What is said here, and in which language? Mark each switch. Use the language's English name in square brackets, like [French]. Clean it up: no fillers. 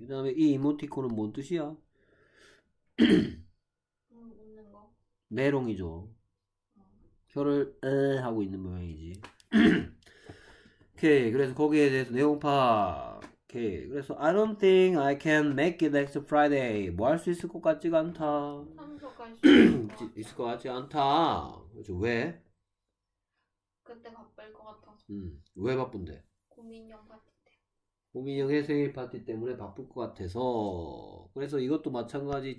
[Korean] 그 다음에 이 이모티콘은 뭔 뜻이야? 메롱이죠. 혀를 에 하고 있는 모양이지. 오케이. 그래서 거기에 대해서 내용 파악. 오케이. 그래서 [English] I don't think I can make it next Friday. [Korean] 뭐 할 수 있을 것 같지가 않다. 있을 것 같지 않다. 그렇죠. 왜? 그때 바쁠 것 같아서. 왜 바쁜데? 고민형 파티 때. 고민형의 생일 파티 때문에 바쁠 것 같아서. 그래서 이것도 마찬가지.